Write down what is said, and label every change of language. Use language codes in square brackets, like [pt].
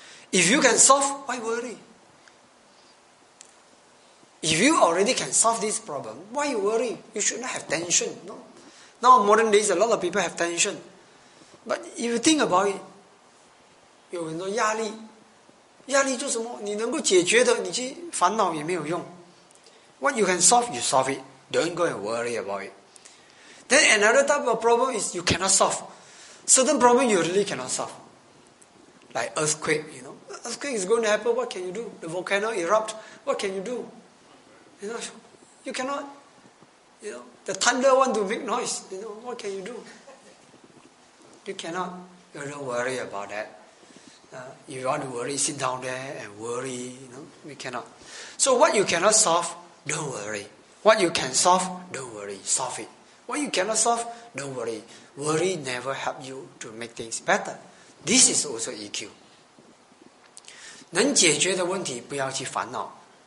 [en] If you can solve, why worry? If you already can solve this problem, why you worry? You should not have tension. No? Now, modern days, a lot of people have tension. But if you think about it, you have 压力. [zh] 压力就是什么? 你能够解决的,你去烦恼也没有用. [en] What you can solve, you solve it. Don't go and worry about it. Then another type of problem is you cannot solve. Certain problems you really cannot solve. Like earthquake, you know. Earthquake is going to happen, what can you do? The volcano erupt, what can you do? You know, you cannot, you know, the thunder want to make noise, you know, what can you do? You cannot, you don't worry about that. If you want to worry, sit down there and worry, you know, we cannot. So what you cannot solve, don't worry. What you can solve, don't worry, solve it. What you cannot solve, don't worry. Worry never help you to make things better. This is also EQ. [zh] 能解决的问题不要去烦恼。